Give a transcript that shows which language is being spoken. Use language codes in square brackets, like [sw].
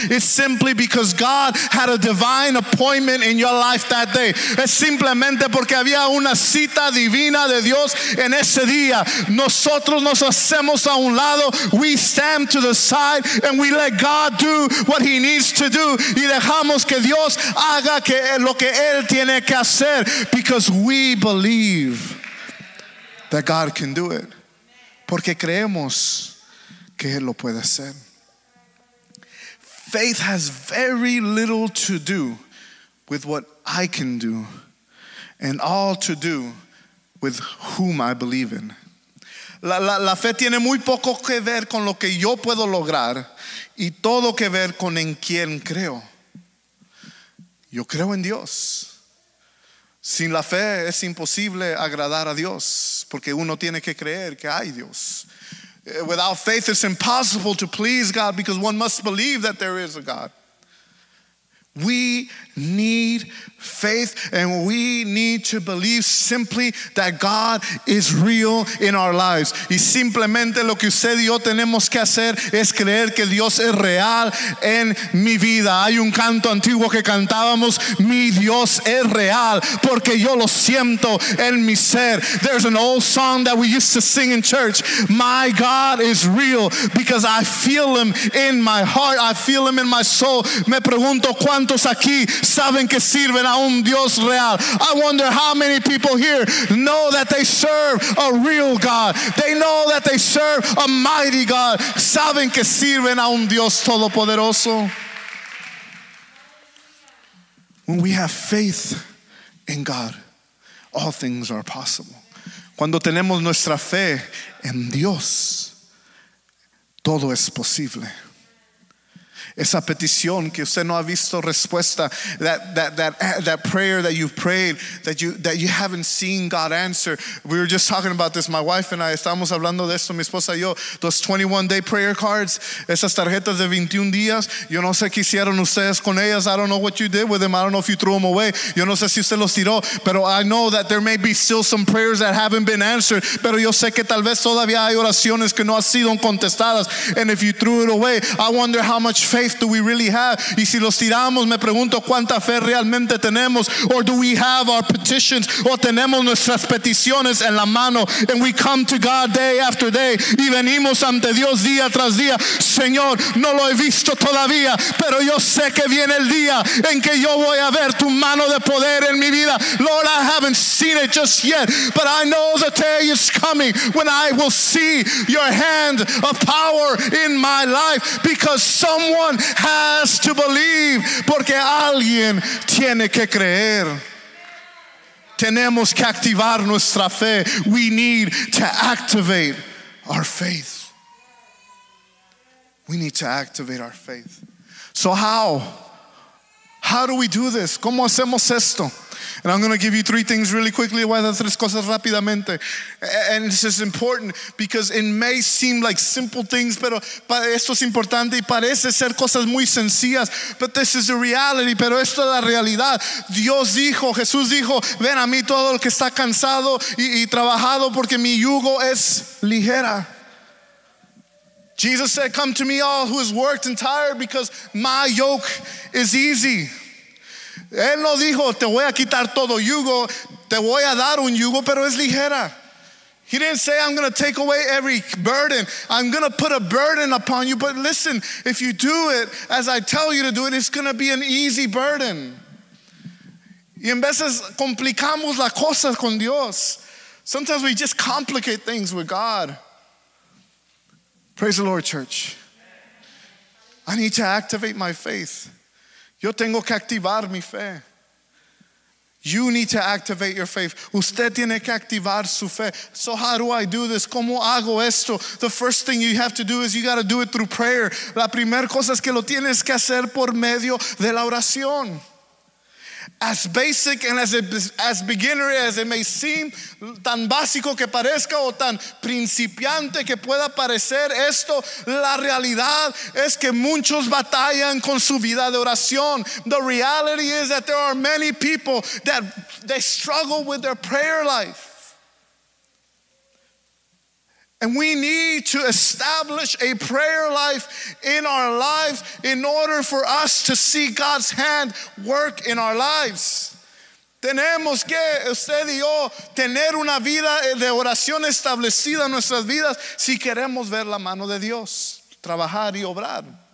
[en] It's simply because God had a divine appointment in your life that day. [es] Es simplemente porque había una cita divina de Dios en ese día. Nosotros nos hacemos a un lado. [en] We stand to the side and we let God do what he needs to do. [es] Y dejamos que Dios haga lo que él tiene que hacer, [en] because we believe that God can do it, [es] porque creemos que él lo puede hacer. [en] Faith has very little to do with what I can do, and all to do with whom I believe in. [es] La fe tiene muy poco que ver con lo que yo puedo lograr, y todo que ver con en quién creo. Yo creo en Dios. Sin la fe es imposible agradar a Dios, porque uno tiene que creer que hay Dios. [en] Without faith it's impossible to please God, because one must believe that there is a God. We need faith, and we need to believe simply that God is real in our lives. [es] Y simplemente lo que usted y yo tenemos que hacer es creer que Dios es real en mi vida. Hay un canto antiguo que cantábamos: mi Dios es real porque yo lo siento en mi ser. [en] There's an old song that we used to sing in church: my God is real because I feel him in my heart, I feel him in my soul. [es] Me pregunto cuántos aquí saben que sirven a un Dios real. [en] I wonder how many people here know that they serve a real God. They know that they serve a mighty God. [es] Saben que sirven a un Dios todopoderoso. [en] When we have faith in God, all things are possible. [es] Cuando tenemos nuestra fe en Dios, todo es posible. Esa petición que usted no ha visto respuesta, [en] that prayer that you've prayed, that you haven't seen God answer. We were just talking about this, my wife and I. [es] Estábamos hablando de esto, mi esposa y yo. [en] Those 21-day prayer cards, [es] esas tarjetas de 21 días. Yo no sé qué hicieron ustedes con ellas. [en] I don't know what you did with them. I don't know if you threw them away. [es] Yo no sé si usted los tiró. [en] Pero I know that there may be still some prayers that haven't been answered. [es] Pero yo sé que tal vez todavía hay oraciones que no han sido contestadas. [en] And if you threw it away, I wonder how much faith do we really have? [es] Y si los tiramos, me pregunto cuánta fe realmente tenemos. [en] Or do we have our petitions? [es] O tenemos nuestras peticiones en la mano. [en] And we come to God day after day. [es] Y venimos ante Dios día tras día. Señor, no lo he visto todavía, pero yo sé que viene el día en que yo voy a ver tu mano de poder en mi vida. [en] Lord, I haven't seen it just yet, but I know the day is coming when I will see your hand of power in my life, because someone has to believe. [es] Porque alguien tiene que creer. Tenemos que activar nuestra fe. [en] We need to activate our faith. We need to activate our faith. So how? How do we do this? [es] ¿Cómo hacemos esto? [en] And I'm going to give you three things really quickly. [es] Voy a dar tres cosas rápidamente. [en] And this is important because it may seem like simple things, [es] pero esto es importante y parece ser cosas muy sencillas. [en] But this is the reality. [es] Pero esto es la realidad. Dios dijo, Jesús dijo, ven a mí todo el que está cansado y trabajado, porque mi yugo es ligera. [en] Jesus said, come to me all who is worked and tired, because my yoke is easy. [es] Él no dijo, te voy a quitar todo yugo, te voy a dar un yugo, pero es ligera. [en] He didn't say, I'm going to take away every burden. I'm going to put a burden upon you. But listen, if you do it as I tell you to do it, it's going to be an easy burden. [es] Y en veces complicamos las cosas con Dios. [en] Sometimes we just complicate things with God. Praise the Lord, church. I need to activate my faith. [es] Yo tengo que activar mi fe. [en] You need to activate your faith. [es] Usted tiene que activar su fe. [en] So how do I do this? [es] ¿Cómo hago esto? [en] The first thing you have to do is you got to do it through prayer. [es] La primera cosa es que lo tienes que hacer por medio de la oración. [en] As basic and as beginner as it may seem, [es] tan básico que parezca o tan principiante que pueda parecer esto, la realidad es que muchos batallan con su vida de oración. [en] The reality is that there are many people that they struggle with their prayer life. And we need to establish a prayer life in our lives in order for us to see God's hand work in our lives. [es] Tenemos que usted y yo tener una vida de oración establecida en nuestras vidas si queremos ver la mano de Dios trabajar y obrar.